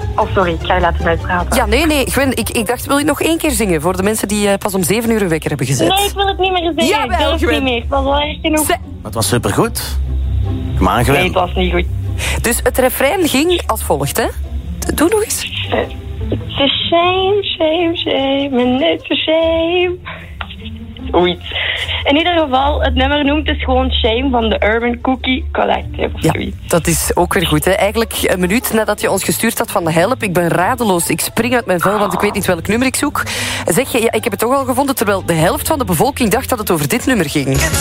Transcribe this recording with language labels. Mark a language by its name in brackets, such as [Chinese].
[Dutch] Oh, sorry, ik ga je laten uitpraten. Ja, nee, Gwen, ik dacht, wil je nog één keer zingen voor de mensen die pas om 7 uur een wekker hebben gezet? Nee, ik wil het niet meer zingen. Jawel, ik wil het niet meer. Dat was wel erg genoeg. Het was supergoed. Kom aan, Gwen. Nee, het was niet goed. Dus het refrein ging als volgt, hè. Doe nog eens. [English] It's a shame, shame, shame, and it's a shame. [Dutch] zoiets. In ieder geval, het nummer noemt dus gewoon Shame van de Urban Cookie Collective. Of ja, dat is ook weer goed. Hè. Eigenlijk een minuut nadat je ons gestuurd had van help, ik ben radeloos, ik spring uit mijn vel, want ik weet niet welk nummer ik zoek. Zeg je, ja, ik heb het toch al gevonden, terwijl de helft van de bevolking dacht dat het over dit nummer ging.